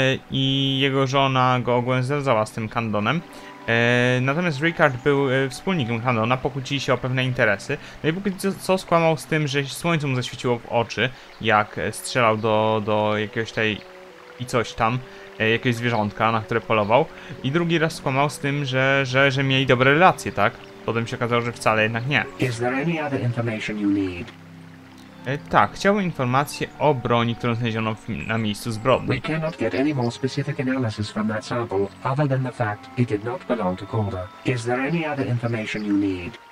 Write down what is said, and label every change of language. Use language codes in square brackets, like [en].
[pl] I jego żona go ogólnie zdradzała z tym Candonem. Natomiast Rickard był wspólnikiem Candona, pokłócili się o pewne interesy. No i póki co skłamał z tym, że słońce mu zaświeciło w oczy, jak strzelał do jakiegoś tej i coś tam, jakiegoś zwierzątka, na które polował. I drugi raz skłamał z tym, że mieli dobre relacje, tak? Potem się okazało, że wcale jednak nie. [en] Is there any other information you need? [pl] Tak, chciałbym informację o broni, którą znaleziono na miejscu zbrodni. [en] We cannot get any more specific analysis from that sample, other than the fact it did not belong to Calder. Is there any other information you need?